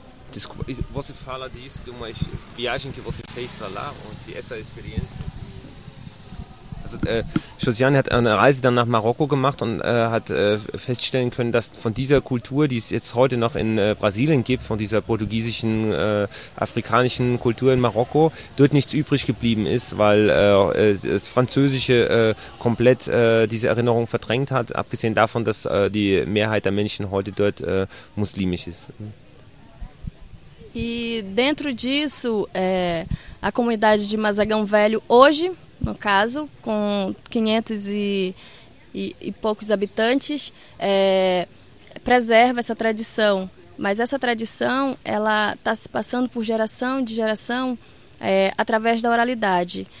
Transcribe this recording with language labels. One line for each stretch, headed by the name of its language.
Portuguese: Desculpa, você fala disso de uma viagem que você fez para lá, ou se essa experiência...
German: Also, Josiane hat eine Reise dann nach Marokko gemacht und hat feststellen können, dass von dieser Kultur, die es jetzt heute noch in Brasilien gibt, von dieser portugiesischen, afrikanischen Kultur in Marokko, dort nichts übrig geblieben ist, weil das Französische komplett diese Erinnerung verdrängt hat, abgesehen davon, dass die Mehrheit der Menschen heute dort muslimisch ist.
Portuguese: E dentro disso, a comunidade de Mazagão Velho, hoje, no caso, com 500 e poucos habitantes, preserva essa tradição. Mas essa tradição, ela está se passando por geração de geração através da oralidade.